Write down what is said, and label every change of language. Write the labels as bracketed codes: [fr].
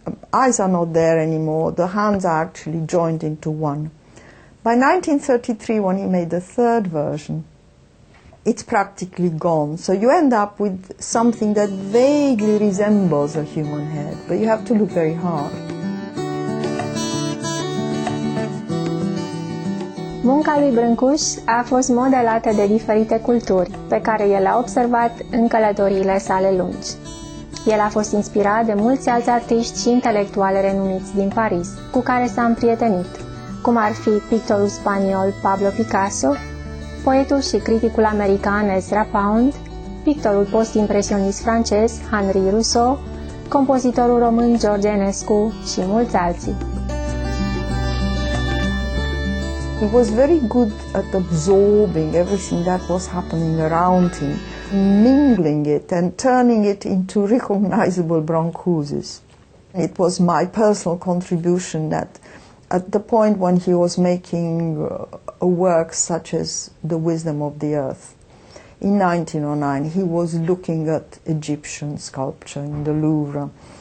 [en] Eyes are not there anymore. The hands are actually joined into one. By 1933, when he made the third version, it's practically gone. So you end up with something that vaguely resembles a human head, but you have to look very hard. [ro] Munca lui Brâncuși a fost modelată de diferite culturi pe care el a observat în călătoriile sale lungi. El a fost inspirat de mulți alți artiști și intelectuali renumiți din Paris, cu care s-a împrietenit, cum ar fi pictorul spaniol Pablo Picasso, poetul și criticul american Ezra Pound, pictorul post-impresionist francez Henri Rousseau, compozitorul român George Enescu și mulți alții. [en] He was very good at absorbing everything that was happening around him, mingling it and turning it into recognizable Brâncuses. It was my personal contribution that at the point when he was making a work such as The Wisdom of the Earth in 1909, he was looking at Egyptian sculpture in the Louvre.